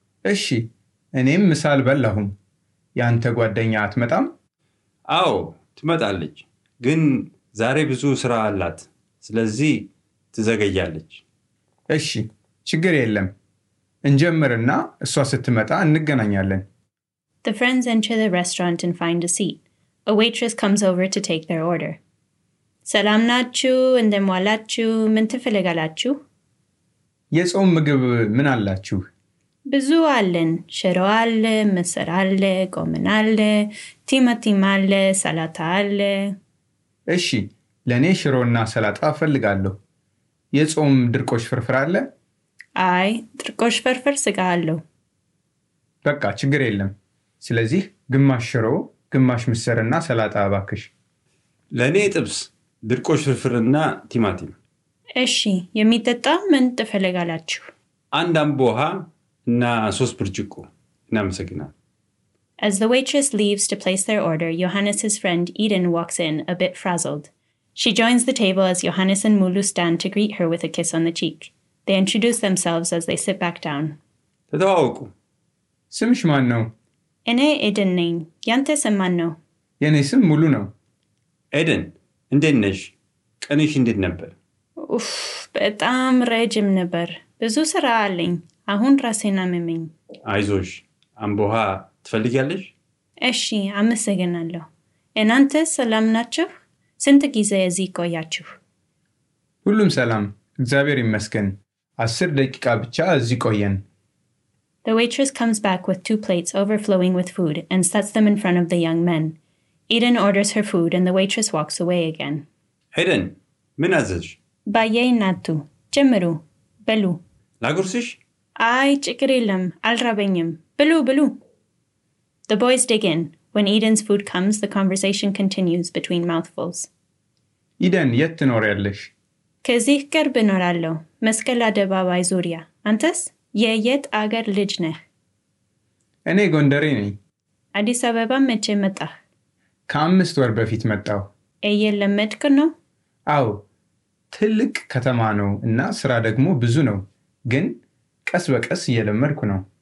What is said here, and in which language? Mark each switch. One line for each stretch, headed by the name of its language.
Amharic: እሺ እኔም ምሳል በላሁም ያንተ ጓደኛ አትመጣም አዎ ትመጣለች ግን ዛሬ ብዙ ስራ አላት ስለዚህ ትዘገያለች እሺ ችግር የለም እንጀምርና እሷ ስትመጣ እንገናኛለን
English: The friends enter the restaurant and find a seat. A waitress comes over to take their order.
Amharic: ሰላም ናችሁ እንደምን ዋላችሁ ምን ትፈልጋላችሁ Yes, ምግብ ምን አላችሁ? ብዙ አለን። ሽሮ አለ፣ ምስር አለ፣ ጎመን አለ፣ ቲማቲም አለ፣ ሰላጣ አለ። እሺ፣ ለኔ ሽሮና ሰላጣ ፈልጋለሁ። የጾም ድርቆሽ ፍርፍር አለ? አይ፣ ድርቆሽ ፍርፍር ስጋ አለው። በቃ ችግር የለም። ስለዚህ ግማሽ ሽሮ፣ ግማሽ ምስርና ሰላጣ አባክሽ። ለኔ ጥብስ፣ ድርቆሽ ፍርፍርና ቲማቲም እሺ የሚጠጣ ምን ትፈልጋላችሁ? አንድ አምቦሃ እና ሶስት ብርጭቆ እናመሰግናለን።
English: As the waitress leaves to place their order, Johannes's friend Eden walks in a bit frazzled. She joins the table as Johannes and Mulu stand to greet her with a kiss on the cheek. They introduce themselves as they sit back down.
Amharic: ተደዋውቁ። ስምሽ ማን ነው? እኔ ኤደን ነኝ። ያንተ ስም ማን ነው? የኔ ስም ሙሉ ነው። ኤደን እንዴት ነሽ? ቀንሽ እንዴት ነበር? በጣም ረጅም ነበር። ብዙ ስራ አለኝ። አሁን ራሴን አመመኝ። አይዞሽ። አምቦሃ ትፈልጊያለሽ? እሺ፣ አመሰግናለሁ። እናንተ ሰላም ናችሁ? ስንት ጊዜ እዚህ ቆያችሁ? ሁሉም ሰላም፣ እግዚአብሔር ይመስገን። 10 ደቂቃ ብቻ እዚህ ቆየን።
English: The waitress comes back with two plates overflowing with food and sets them in front of the young men. Eden orders her food and the waitress walks away again.
Amharic: Eden, ምን አዘዝሽ? ባዬ ናቱ ጀምሩ በሉ ላጉርስሽ አይ ችግር የለም አልራበኝም በሉ በሉ
English: The boys dig in. When Eden's food comes, the conversation continues between mouthfuls.
Amharic: Eden, የት ትኖሪያለሽ? ከዚህ ቅርብ እኖራለሁ፣ መስቀል አደባባይ ዙሪያ። አንተስ የየት አገር ልጅ ነህ? እኔ ጎንደሬ ነኝ። አዲስ አበባ መቼ መጣህ? ከአምስት ወር በፊት መጣሁ። እየለመድክ ነው? አዎ ትልቅ ከተማ ነው እና ስራ ደግሞ ብዙ ነው። ግን ቀስ በቀስ እየለመድኩ ነው።